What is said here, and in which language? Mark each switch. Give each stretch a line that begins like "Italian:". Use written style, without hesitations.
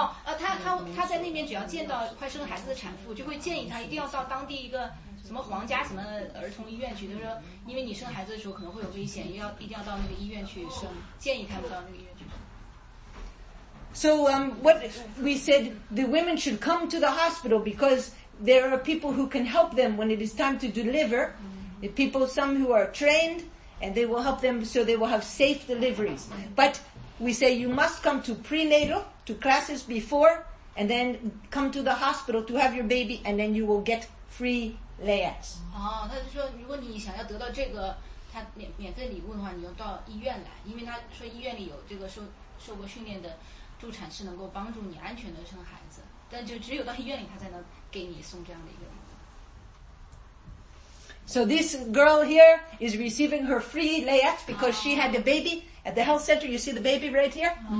Chinese: 他在那边只要见到快生孩子的产妇，就会建议他一定要到当地一个什么皇家什么儿童医院去。他说，因为你生孩子的时候可能会有危险，一定要到那个医院去生。建议他们到那个医院去。
English: So what we said, the women should come to the hospital because there are people who can help them when it is time to deliver. People, some who are trained, and they will help them so they will have safe deliveries. But we say you must come to prenatal, to classes before, and then come to the hospital to have your baby, and then you will get free layettes. Oh,
Chinese: 那就说如果你想要得到这个他免费礼物的话，你要到医院来，因为他说医院里有这个受过训练的助产士能够帮助你安全的生孩子，但就只有到医院里他才能给你送这样的一个礼物。
English: So this girl here is receiving her free layette because she had a baby at the health center. You see the baby right here?